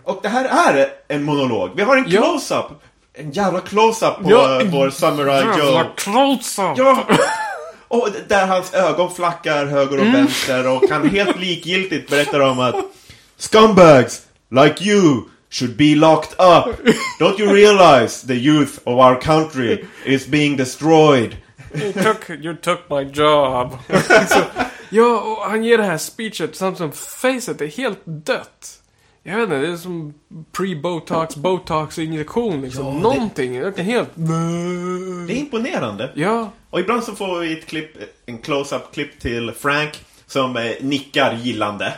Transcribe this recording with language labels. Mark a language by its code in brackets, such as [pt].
[sv] Och det här är en monolog. Vi har en close-up. En jävla close-up på vår Samurai Joe. Jävla close-up! Ja. Och där hans ögon flackar höger och vänster och kan helt likgiltigt berätta om att [en] scumbags like you should be locked up. Don't you realize the youth of our country is being destroyed? You took my job. [sv] Ja, och han ger det här speechet samt som facet är helt dött. Jag vet inte, det är som pre-Botox, Botox-injektion, liksom. Ja, någonting. Det är helt... Det är imponerande. Ja. Och ibland så får vi ett klipp, en close-up-klipp till Frank som nickar gillande.